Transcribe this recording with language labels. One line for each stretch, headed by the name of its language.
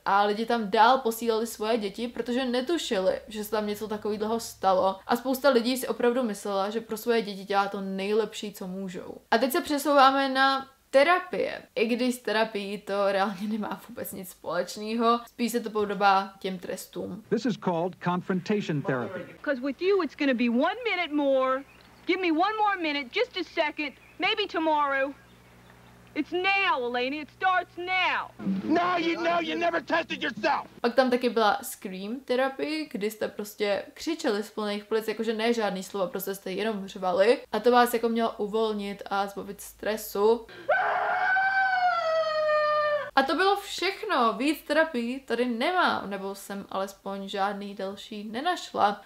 Czech: A lidi tam dál posílali svoje děti, protože netušili, že se tam něco takového stalo. A spousta lidí si opravdu myslela, že pro svoje děti dělá to nejlepší, co můžou. A teď se přesouváme na terapie. I když s terapií to reálně nemá vůbec nic společného, spíš se to podobá těm trestům.
English: This is called confrontation therapy. Because with you it's gonna be one minute more. Give me one more minute, just a second, maybe tomorrow. It's now, Eleni, it starts now. No, you know, you never tested yourself.
Czech: Pak tam taky byla scream therapy, kdy jste prostě křičeli z plných plic, jakože ne žádný slovo, prostě jste jenom řvali. A to vás jako mělo uvolnit a zbavit stresu. A to bylo všechno. Víc terapii tady nemám, nebo jsem alespoň žádný další nenašla.